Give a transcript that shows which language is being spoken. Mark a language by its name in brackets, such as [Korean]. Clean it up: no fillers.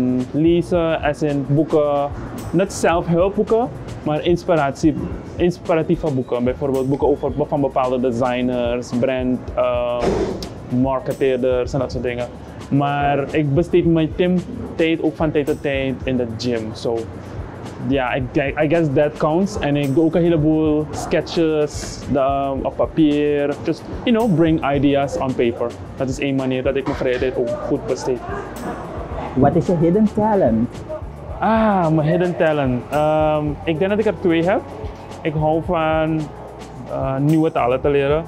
[Dutch] Lezen als in boeken, net zelfhulpboeken, maar inspiratieve boeken. Bijvoorbeeld boeken over van bepaalde designers, brand, marketeerders en dat soort dingen. Maar ik besteed mijn tijd ook van tijd tot tijd in de gym. [English] So, ja, I guess that counts. [Dutch] En ik doe ook een heleboel sketches op papier. [English] Just, you know, bring ideas on paper. [Dutch] Dat is één manier dat ik mijn vrije tijd ook goed besteed. Wat is je [English] hidden talent? [Dutch] Ah, mijn [English] hidden talent. [Dutch] Ik denk dat ik er twee heb. Ik hou van nieuwe talen te leren.